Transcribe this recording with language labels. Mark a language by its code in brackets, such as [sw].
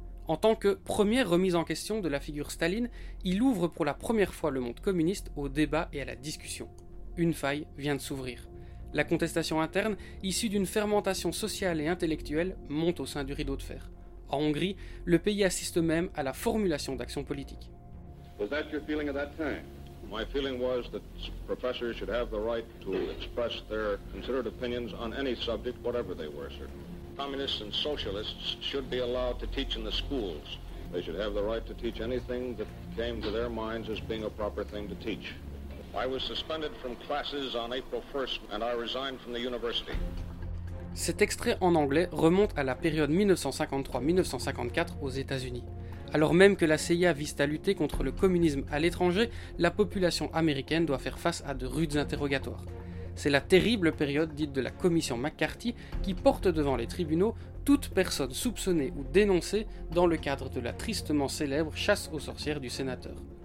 [fr] En tant que première remise en question de la figure Staline, il ouvre pour la première fois le monde communiste au débat et à la discussion. Une faille vient de s'ouvrir. La contestation interne, issue d'une fermentation sociale et intellectuelle, monte au sein du rideau de fer. En Hongrie, le pays assiste même à la formulation d'actions politiques. [en] Was that your feeling at that time? My feeling was that professors should have the right to express their considered opinions on any subject, whatever they were, sir. Communists and socialists should be allowed to teach in the schools. They should have the right to teach anything that came to their minds as being a proper thing to teach. I was suspended from classes on April 1st and I resigned from the university. [fr] Cet extrait en anglais remonte à la période 1953-1954 aux États-Unis. Alors même que la CIA vise à lutter contre le communisme à l'étranger, la population américaine doit faire face à de rudes interrogatoires. C'est la terrible période dite de la commission McCarthy qui porte devant les tribunaux toute personne soupçonnée ou dénoncée dans le cadre de la tristement célèbre chasse aux sorcières du sénateur.